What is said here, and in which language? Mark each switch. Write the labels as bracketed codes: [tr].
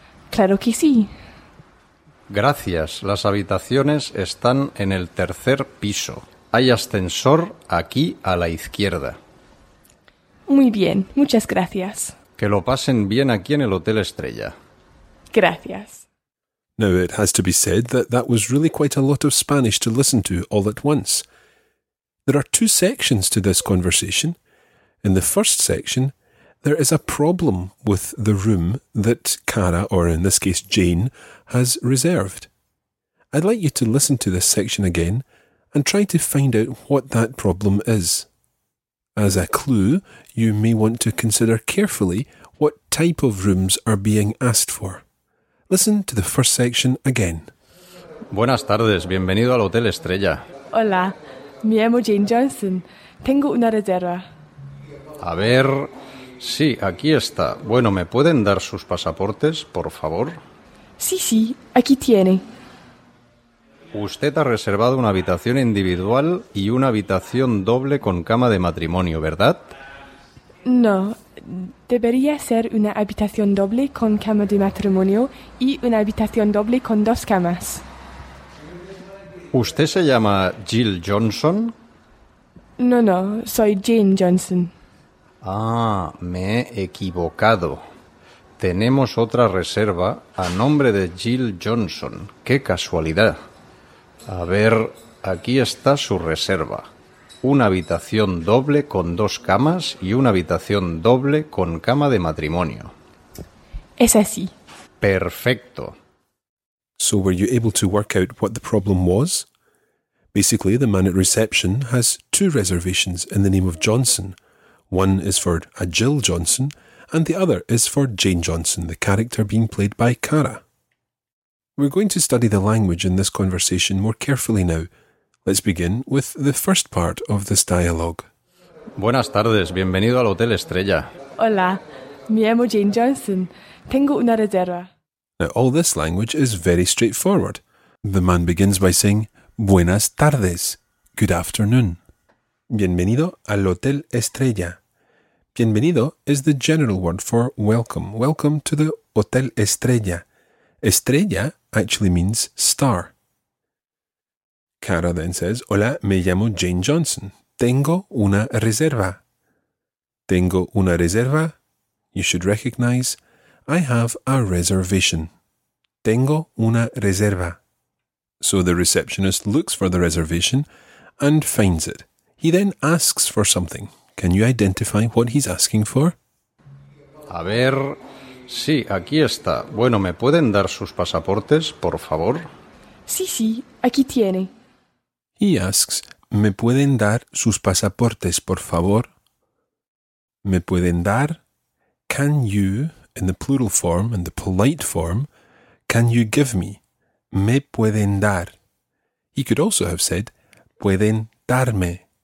[es] Claro que sí. Gracias. Las habitaciones están en el tercer piso. Hay ascensor aquí a la izquierda. Muy bien. Muchas gracias. Que lo pasen bien aquí en el Hotel Estrella. Gracias. [en] Now, it has to be said that that was really quite a lot of Spanish to listen to all at once. There are 2 sections to this conversation. In the first section, there is a problem with the room that Cara, or in this case Jane, has reserved. I'd like you to listen to this section again and try to find out what that problem is. As a clue, you may want to consider carefully what type of rooms are being asked for. Listen to the first section again. [es] Buenas tardes, bienvenido al Hotel Estrella. Hola, me llamo Jane Johnson. Tengo una reserva. A ver, sí, aquí está. Bueno, ¿me pueden dar sus pasaportes, por favor? Sí, sí, aquí tiene. Usted ha reservado una habitación individual y una habitación doble con cama de matrimonio, ¿verdad? No, debería ser una habitación doble con cama de matrimonio y una habitación doble con dos camas. ¿Usted se llama Jill Johnson? No, no, soy Jane Johnson. Ah, me he equivocado. Tenemos otra reserva a nombre de Jill Johnson. ¡Qué casualidad! A ver, aquí está su reserva. Una habitación doble con dos camas y una habitación doble con cama de matrimonio. Es así. Perfecto. [en] So were you able to work out what the problem was? Basically, the man at reception has two reservations in the name of Johnson. One is for a Jill Johnson, and the other is for Jane Johnson, the character being played by Cara. We're going to study the language in this conversation more carefully now. Let's begin with the first part of this dialogue. [es] Buenas tardes, bienvenido al Hotel Estrella. Hola, me llamo Jane Johnson. Tengo una reserva. [en] Now, all this language is very straightforward. The man begins by saying, [es] Buenas tardes. [en] Good afternoon. [es] Bienvenido al Hotel Estrella. [en] Bienvenido is the general word for welcome. Welcome to the Hotel Estrella. Estrella actually means star. Cara then says, [es] Hola, me llamo Jane Johnson. Tengo una reserva. Tengo una reserva. [en] You should recognize, I have a reservation. [es] Tengo una reserva. [en] So the receptionist looks for the reservation and finds it. He then asks for something. Can you identify what he's asking for? [es] A ver, sí, aquí está. Bueno, ¿me pueden dar sus pasaportes, por favor? Sí, sí, aquí tiene. [en] He asks, [es] ¿me pueden dar sus pasaportes, por favor? ¿Me pueden dar? [en] Can you, in the plural form, in the polite form, can you give me? [es] Me pueden dar. [en] He could also have said, [es] pueden darme.